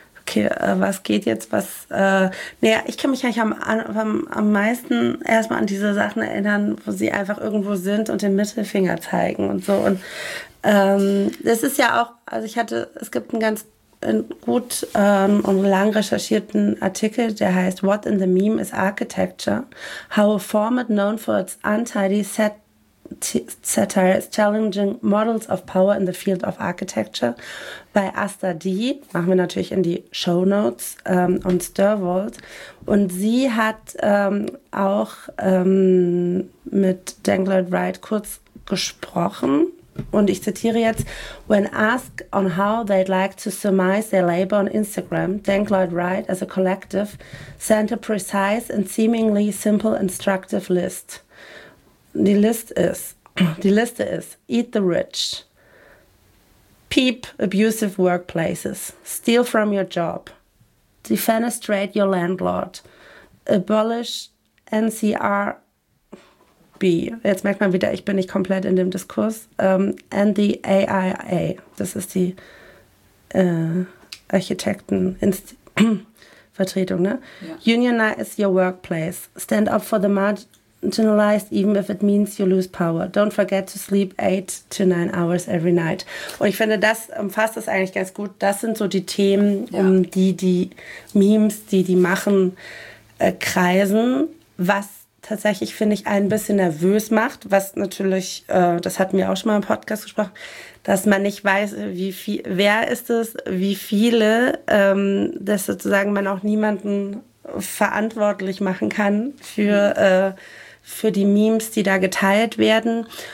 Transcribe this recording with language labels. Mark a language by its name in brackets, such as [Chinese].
[German] Okay, was geht jetzt, was... ich kann mich eigentlich am meisten erstmal an diese Sachen erinnern, wo sie einfach irgendwo sind und den Mittelfinger zeigen und so. Und das ist ja auch... Also es gibt einen ganz gut und lang recherchierten Artikel, der heißt What in the Meme is Architecture? [English] How a format known for its untidy satire is challenging models of power in the field of architecture. [German] Bei Asta D, machen wir natürlich in die Shownotes, und Sturwold. Und sie hat auch mit Denk Lloyd Wright kurz gesprochen. Und ich zitiere jetzt, [English] when asked on how they'd like to surmise their labor on Instagram, Dank Lloyd Wright as a collective sent a precise and seemingly simple instructive list. [German] Die Liste ist, [English] eat the rich, peep abusive workplaces, steal from your job, defenestrate your landlord, abolish NCRB, [German] jetzt merkt man wieder, ich bin nicht komplett in dem Diskurs, [English] and the AIA, [German] das ist die Architektenvertretung, ne? Yeah. [English] Unionize your workplace, stand up for the marginalized, even if it means you lose power. Don't forget to sleep 8 to 9 hours every night. [German] Und ich finde, das umfasst das eigentlich ganz gut. Das sind so die Themen, die Memes, die machen, kreisen, was tatsächlich, finde ich, ein bisschen nervös macht, was natürlich, das hatten wir auch schon mal im Podcast gesprochen, dass man nicht weiß, wie viel, wer ist es, wie viele, dass sozusagen man auch niemanden verantwortlich machen kann für die Memes, die da geteilt werden.